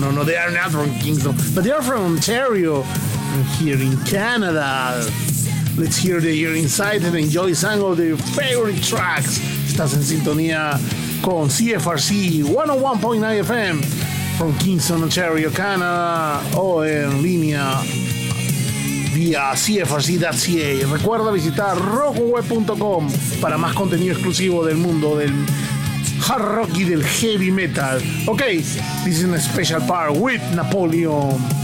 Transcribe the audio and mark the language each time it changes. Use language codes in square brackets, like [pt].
[en] No, they are not from Kingston, but they are from Ontario, here in Canada. Let's hear the year inside and enjoy some of their favorite tracks. [es] Estás en sintonía con CFRC 101.9 FM from Kingston, Ontario, Canada, o en línea vía CFRC.ca. Recuerda visitar rockweb.com para más contenido exclusivo del mundo del hard rock y del heavy metal. [en] Ok, this is a special part with Napoleon.